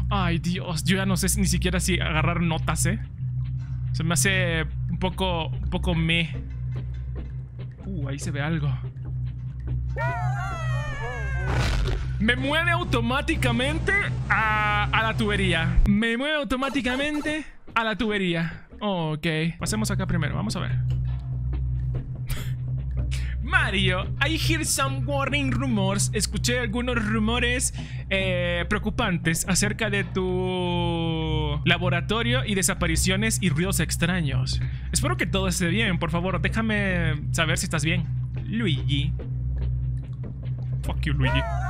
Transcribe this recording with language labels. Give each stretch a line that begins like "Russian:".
Spanish: Ay, Dios, yo ya no sé ni siquiera si agarrar notas, Se me hace un poco meh. Ahí se ve algo. Me mueve automáticamente a la tubería. Me mueve automáticamente a la tubería. Ok, pasemos acá primero, vamos a ver.
English: Mario, I hear some warning rumors.
Spanish: Escuché algunos rumores preocupantes acerca de tu laboratorio y desapariciones y ruidos extraños. Espero que todo esté bien, por favor, déjame saber si estás bien. Luigi.
English: Fuck you,
Spanish: Luigi.